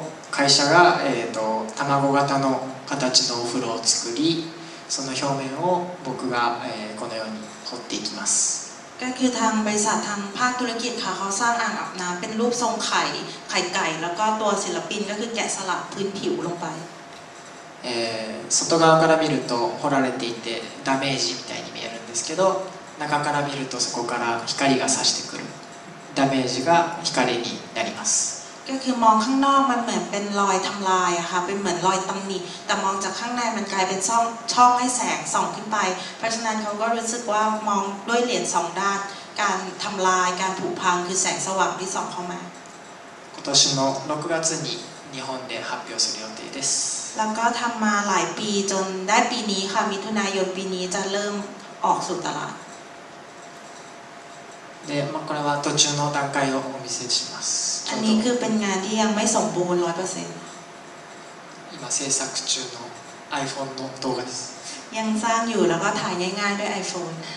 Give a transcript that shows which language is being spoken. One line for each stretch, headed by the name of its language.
Japanese: 会社が卵型の形のお風呂を作り、その表面を僕がこのように掘っていきます。
Thai: ก็คือทางบริษัททางภาคธุรกิจค่ะเขาสร้างอ่างอาบน้ำเป็นรูปทรงไข่ไก่แล้วก็ตัวศิลปินก็คือแกะสลักพื้นผิวลงไป
Japanese: 外側から見ると掘られていてダメージみたいに見えるんですけど中から見るとそこから光が差してくるダメージが光になります
Thai: ก็คือมองข้างนอกมันเหมือนเป็นรอยทำลายอะค่ะเป็นเหมือนรอยตำหนิแต่มองจากข้างในมันกลายเป็นช่องให้แสงส่องขึ้นไปเพราะฉะนั้นเขาก็รู้สึกว่ามองด้วยเหรียญสองด้านการทำลายการผุพังคือแสงสว่างที่ส่องเข้ามา
Japanese: 今年の6月に日本で発表する予定です
Thai: แล้วก็ทำมาหลายปีจนได้ปีนี้ค่ะมิถุนายนปีนี้จะเริ่มออกสู่ตลาด
Japanese: でまあこれは途中の段階をお見せします
Thai: อันนี้คือเป็นงานที่ยังไม่สมบูรณ์ 100%
Japanese: 今制作中の iPhone の動画です
Thai: ยังสร้างอยู่แล้วก็ถ่ายง่ายๆด้วย iPhone